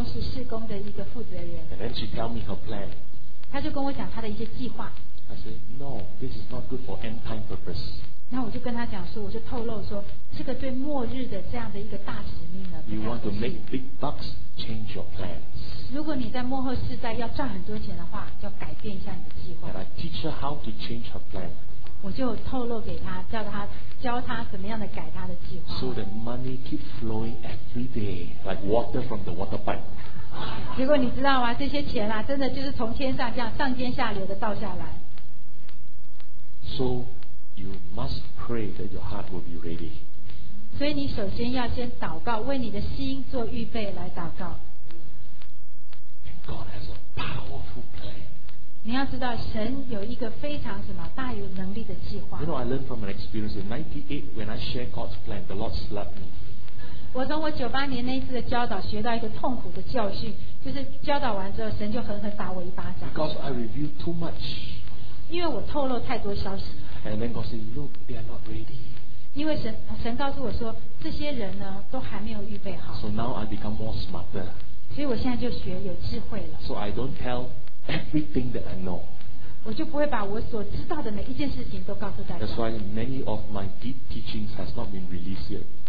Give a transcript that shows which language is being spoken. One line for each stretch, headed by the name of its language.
Chinese: 她是我在印尼那边办公室事工的一个负责人
English: And then she tell me her plan
Chinese: 他就跟我讲他的一些计划
English: I said, no, this is not good for end time purpose
Chinese: 那我就跟他讲说 我就透露说 这个对末日的这样的一个大使命呢
English: You want to make big bucks, change your plans
Chinese: 如果你在末后世代要赚很多钱的话 要改变一下你的计划
English: And I teach her how to change her plan
Chinese: 我就透露给他 教他怎么样的改他的计划
English: So that money keep flowing every day like water from the water pipe
Chinese: 结果你知道吗 这些钱啊, 真的就是从天上这样, 上天下流的倒下来
English: So you must pray that your heart will be ready
Chinese: 所以你首先要先祷告 为你的心做预备 来祷告
English: And God has a powerful plan
Chinese: 你要知道 神有一个非常什么 大有能力的计划
English: You know I learned from an experience In 98 when I shared God's plan The Lord slapped me
Chinese: 我从我98年那一次的教导学到一个痛苦的教训，就是教导完之后，神就狠狠打我一巴掌。
English: Because I review too much.
Chinese: 因为我透露太多消息。
English: And then God said, "Look, they are not ready."
Chinese: 因为神告诉我说，这些人呢都还没有预备好。
English: So now I become more smarter.
Chinese: 所以我现在就学有智慧了。
English: So I don't tell everything that I know.
Chinese: 我就不会把我所知道的每一件事情都告诉大家。
English: That's why many of my deep teachings has not been released yet.